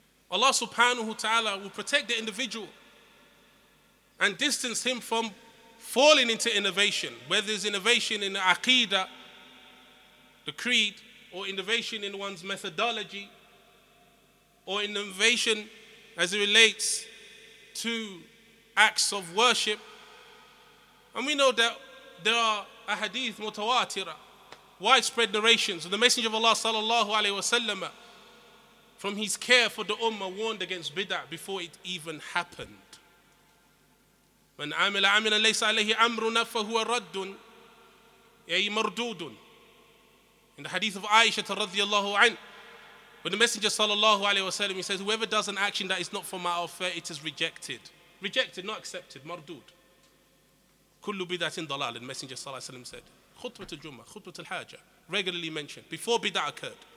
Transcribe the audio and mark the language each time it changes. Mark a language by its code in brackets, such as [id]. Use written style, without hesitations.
[en] Allah subhanahu wa ta'ala will protect the individual and distance him from falling into innovation, whether it's innovation in the aqidah, the creed, or innovation in one's methodology, or innovation as it relates to acts of worship. And we know that there are ahadith mutawatira, widespread narrations of the Messenger of Allah sallallahu alayhi wa sallam, from his care for the ummah, warned against bid'ah before it even happened. [ar] من عمل عملا ليس عليه أمرنا فهو رد أي مردود. [en] In the hadith of Aisha radiallahu anh, when the Messenger sallallahu alayhi wa sallam, he says, whoever does an action that is not for my affair, it is rejected. Rejected, not accepted, mardood. [ar] كل بدعه ضلال, [en] the Messenger sallallahu alayhi wa sallam said. [ar] خطبة الجمعة, خطبة الحاجة, [en] regularly mentioned, before bid'ah occurred.